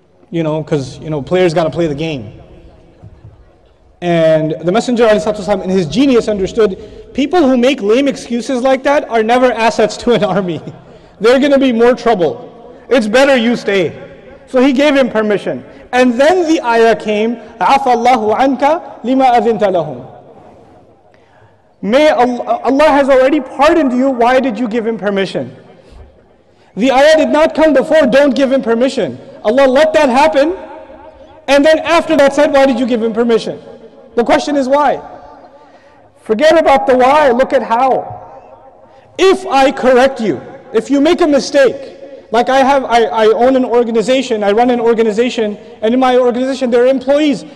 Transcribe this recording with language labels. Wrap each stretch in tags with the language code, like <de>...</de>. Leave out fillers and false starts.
<en>You know, because, you know, players got to play the game. And the Messenger, in his genius, understood, people who make lame excuses like that are never assets to an army. They're going to be more trouble. It's better you stay. So he gave him permission. And then the ayah came,</en> <ar>عَفَى اللَّهُ عَنْكَ لِمَا أَذِنْتَ لَهُمْ.</ar> <en>May Allah has already pardoned you, why did you give him permission? The ayah did not come before, don't give him permission. Allah let that happen, and then after that said, why did you give him permission? The question is why? Forget about the why, look at how. If I correct you, if you make a mistake, like I own an organization, I run an organization, and in my organization there are employees.</en>